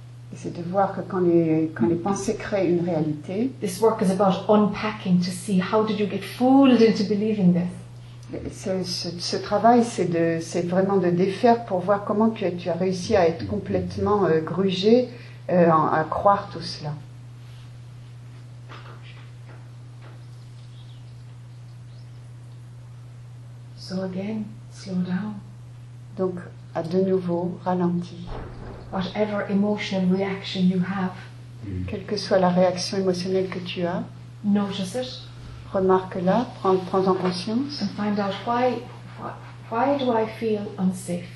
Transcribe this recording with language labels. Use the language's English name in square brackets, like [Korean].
[French] Et c'est de voir que quand les pensées créent une réalité. [English] This work is about unpacking to see how did you get fooled into believing this. [French] Ce travail, c'est vraiment de défaire pour voir comment tu as réussi à être complètement grugé à croire tout cela. [English] So again, slow down. [French] Donc, à de nouveau, ralenti. [English] Whatever emotional reaction you have, [French] quelle que soit la réaction émotionnelle que tu as, [English] notice it. [French] Remarque-la, prends en conscience. [English] And find out why do I feel unsafe?